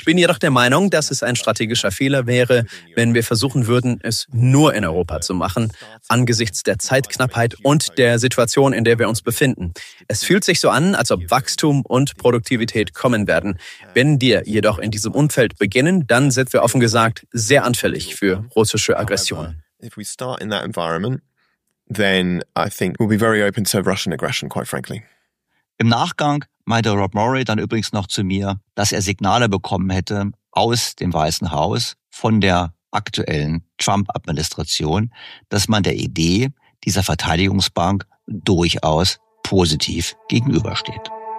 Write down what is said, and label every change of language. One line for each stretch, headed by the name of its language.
German: Ich bin jedoch der Meinung, dass es ein strategischer Fehler wäre, wenn wir versuchen würden, es nur in Europa zu machen, angesichts der Zeitknappheit und der Situation, in der wir uns befinden. Es fühlt sich so an, als ob Wachstum und Produktivität kommen werden. Wenn wir jedoch in diesem Umfeld beginnen, dann sind wir offen gesagt sehr anfällig für russische Aggression.
English: If we start in that environment, then I think we'll be very open to Russian aggression, quite frankly.
German: Im Nachgang meinte Rob Murray dann übrigens noch zu mir, dass er Signale bekommen hätte aus dem Weißen Haus von der aktuellen Trump-Administration, dass man der Idee dieser Verteidigungsbank durchaus positiv gegenübersteht.